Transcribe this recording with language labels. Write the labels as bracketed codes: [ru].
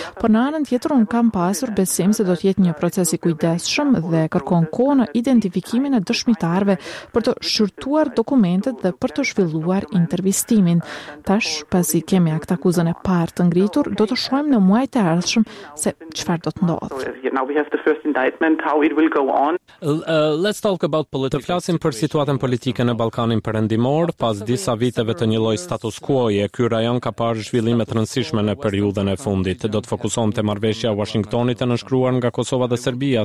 [sq] Por në anën tjetër unë kam pasur besim se do të jetë një proces i kujdesshëm dhe kërkon kohë në identifikimin e dëshmitarëve për të shqyrtuar dokumentet dhe për të zhvilluar intervistimin. Tash, pasi kemi akt akuzën e parë të ngritur, do të shohim në muajt e ardhshëm se çfarë do të ndodhë. [en] Let's talk about politics. [sq] Të flasim për situatën politike në Ballkanin Perëndimor. Pas disa viteve të një lloj status quo-je, ky rajon ka parë zhvillime të rëndësishme në periudhën e fundit. Do të fokusohem te marrëveshja e Washingtonit e nënshkruar nga Kosova dhe Serbia.